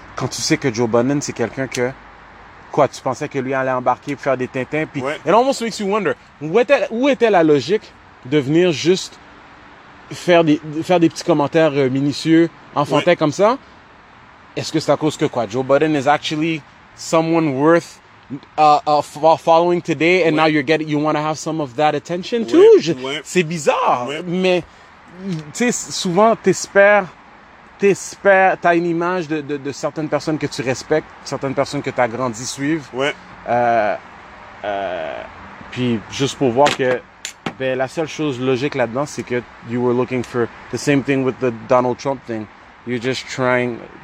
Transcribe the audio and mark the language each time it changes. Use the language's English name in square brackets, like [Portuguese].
[French] quand tu sais que Joe Budden, c'est quelqu'un que... Quoi, tu pensais que lui allait embarquer pour faire des tintins? Puis, ouais. [English] It almost makes you wonder, [French] où était la logique de venir juste faire des petits commentaires minutieux, enfantins ouais. comme ça? Est-ce que c'est à cause que quoi? [English] Joe Budden is actually someone worth following today, and ouais. now you want to have some of that attention [French] ouais. [English] too? [French] Ouais. C'est bizarre, ouais. mais tu sais, souvent, t'espères, t'as une image de certaines personnes que tu respectes, certaines personnes que t'as grandi suivre. Ouais. Puis juste pour voir que, ben la seule chose logique là-dedans, c'est que [English] you were looking for the same thing with the Donald Trump thing. You're just trying.